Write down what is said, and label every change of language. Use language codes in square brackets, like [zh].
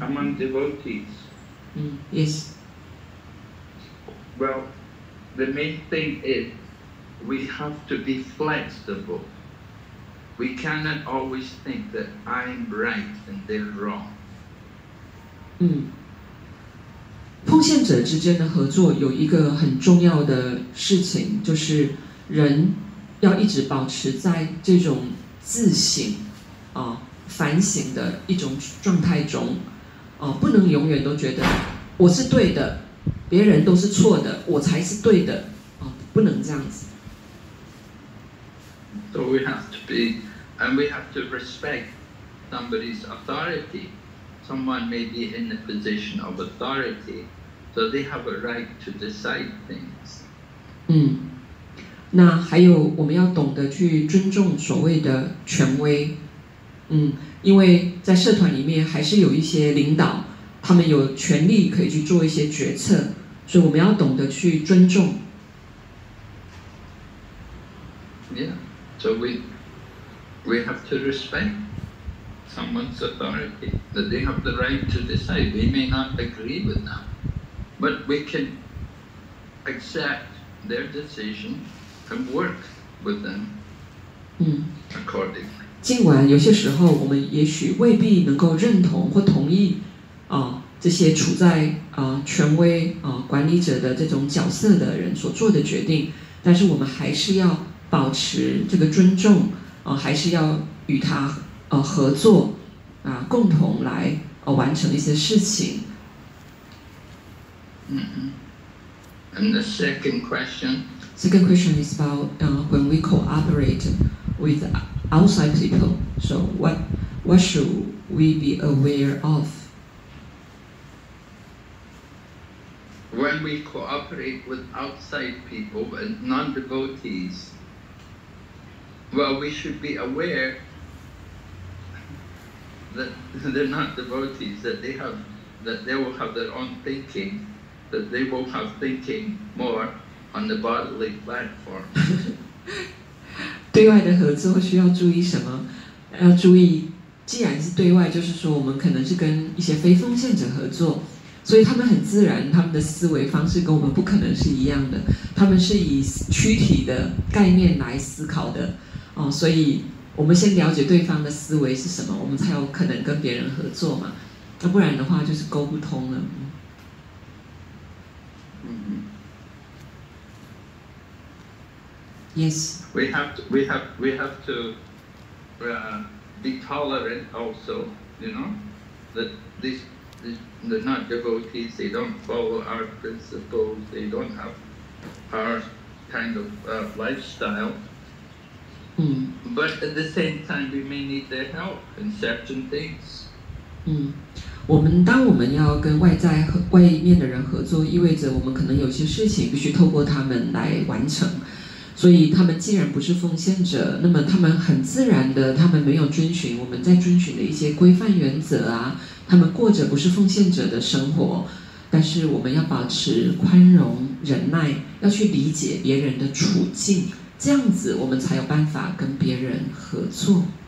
[en] Among devotees. Yes. Well, the main thing is we have to be flexible. We cannot always think that I'm right and they're wrong. [zh] 奉献者之间的合作有一个很重要的事情，就是人要一直保持在这种自省反省的一种状态中不能永远都觉得我是对的，别人都是错的，我才是对的不能这样子。 [en] So we have to be and we have to respect somebody's authority. Someone may be in the position of authority So they have a right to decide things. [zh] 那还有我们要懂得去尊重所谓的权威。因为在社团里面还是有一些领导，他们有权利可以去做一些决策，所以我们要懂得去尊重。 [en] Yeah, so we have to respect someone's authority, that they have the right to decide. We may not agree with them, but we can accept their decision and work with them accordingly. [zh] 尽管有些时候我们也许未必能够认同或同意这些处在权威管理者的这种角色的人所做的决定，但是我们还是要保持这个尊重还是要与他合作共同来完成一些事情。 [en] And the second question. Second question is about when we cooperate with outside people. So what should we be aware of? When we cooperate with outside people and non-devotees, well, we should be aware that they're not devotees, that they will have their own thinking, that they will have thinking more on the bodily platform. [zh] 对外的合作需要注意什么？要注意，既然是对外，就是说我们可能是跟一些非奉献者合作，所以他们很自然，他们的思维方式跟我们不可能是一样的。他们是以躯体的概念来思考的，所以我们先了解对方的思维是什么，我们才有可能跟别人合作嘛。那不然的话，就是沟不通了。 [en] Yes. We have to be tolerant also, you know, that they're not devotees, they don't follow our principles, they don't have our kind of lifestyle. But at the same time, we may need their help in certain things. [zh] 当我们要跟外面的人合作，意味着我们可能有些事情必须透过他们来完成。所以他们既然不是奉献者，那么他们很自然的，他们没有遵循我们在遵循的一些规范原则啊，他们过着不是奉献者的生活，但是我们要保持宽容忍耐，要去理解别人的处境，这样子我们才有办法跟别人合作。